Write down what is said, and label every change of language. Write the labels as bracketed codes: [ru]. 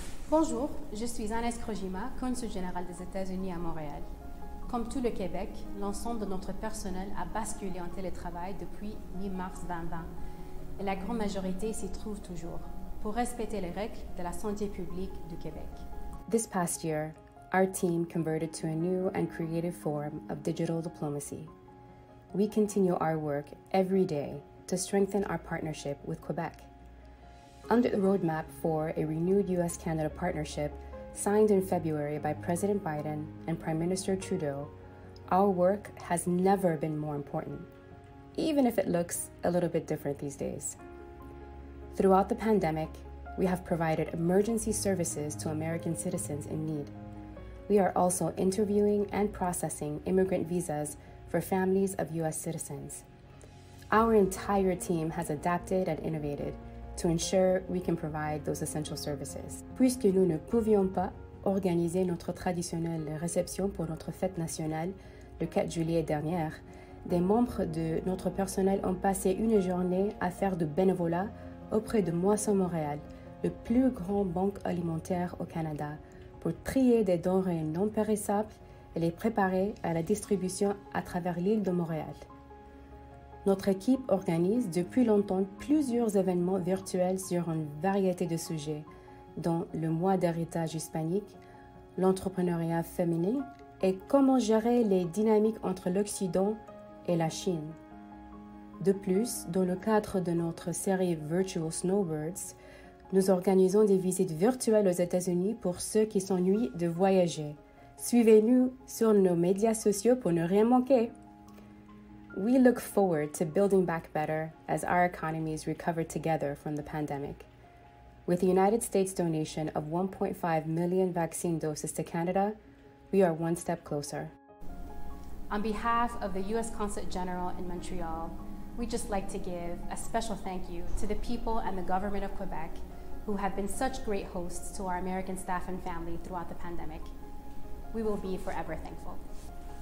[fr] Bonjour, je suis Anes Krojima, consul général des États-Unis à Montréal. Comme tout le Québec, l'ensemble de notre personnel a basculé en télétravail depuis mi-mars 2020 et la grande majorité s'y trouve toujours pour respecter les règles de la santé publique du Québec. [en] This past year, our team converted to a new and creative form of digital diplomacy. We continue our work every day to strengthen our partnership with Quebec. Under the roadmap for a renewed U.S.-Canada partnership signed in February by President Biden and Prime Minister Trudeau, our work has never been more important, even if it looks a little bit different these days. Throughout the pandemic, we have provided emergency services to American citizens in need. We are also interviewing and processing immigrant visas for families of U.S. citizens. Our entire team has adapted and innovated to ensure we can provide those essential services. [fr] Puisque nous ne pouvions pas organiser notre traditionnelle réception pour notre fête nationale le 4 juillet dernier, des membres de notre personnel ont passé une journée à faire du bénévolat auprès de Moisson Montréal, le plus grand banque alimentaire au Canada, pour trier des denrées non périssables et les préparer à la distribution à travers l'île de Montréal. Notre équipe organise depuis longtemps plusieurs événements virtuels sur une variété de sujets, dont le mois d'héritage hispanique, l'entrepreneuriat féminin et comment gérer les dynamiques entre l'Occident et la Chine. De plus, dans le cadre de notre série Virtual Snowbirds, nous organisons des visites virtuelles aux États-Unis pour ceux qui s'ennuient de voyager. Suivez-nous sur nos médias sociaux pour ne rien manquer. [en] We look forward to building back better as our economies recover together from the pandemic. With the United States donation of 1.5 million vaccine doses to Canada, we are one step closer. On behalf of the U.S. Consulate General in Montreal, we'd just like to give a special thank you to the people and the government of Quebec who have been such great hosts to our American staff and family throughout the pandemic. We will be forever thankful.